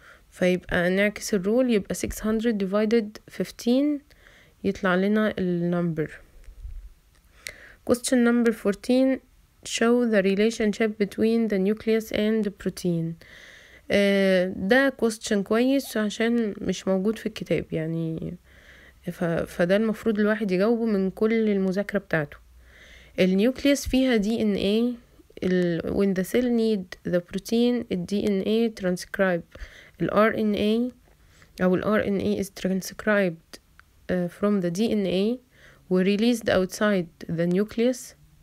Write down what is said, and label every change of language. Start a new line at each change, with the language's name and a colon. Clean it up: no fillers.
Arabic: فيبقى نعكس الرول، يبقى 600
English: divided
Arabic: 15 يطلع لنا النمبر.
English: Question number 14. Show the relationship between the nucleus and the protein.
Arabic: ده question كويس عشان مش موجود في الكتاب يعني، فده المفروض الواحد يجاوبه من كل المذاكرة بتاعته. النيوكليوس فيها DNA.
English: When the cell need the protein, DNA transcribe RNA
Arabic: أو
English: RNA is transcribed from the DNA و released outside the nucleus.